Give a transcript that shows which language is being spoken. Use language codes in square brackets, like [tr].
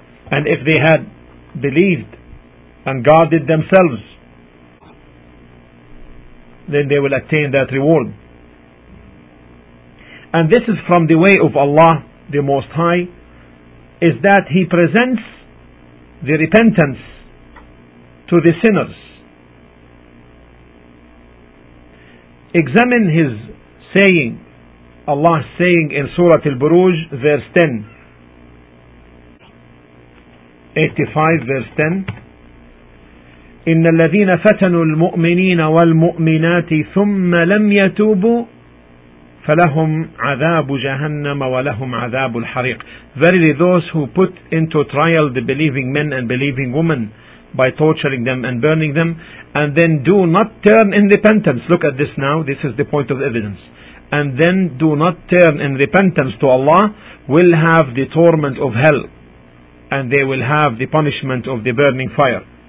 [en] And if they had believed and guarded themselves, then they will attain that reward. And this is from the way of Allah the Most High, is that He presents the repentance to the sinners. Examine His saying, Allah's saying in Surah Al-Buruj, verse 10, [ar] 85, verse 10, إِنَّ الَّذِينَ فَتَنُوا الْمُؤْمِنِينَ وَالْمُؤْمِنَاتِ ثُمَّ لَمْ يَتُوبُوا فَلَهُمْ عَذَابُ جَهَنَّمَ وَلَهُمْ عَذَابُ الْحَرِيقِ. [en] Verily those who put into trial the believing men and believing women by torturing them and burning them, and then do not turn in repentance. Look at this now, this is the point of evidence. And then do not turn in repentance to Allah, will have the torment of hell, and they will have the punishment of the burning fire.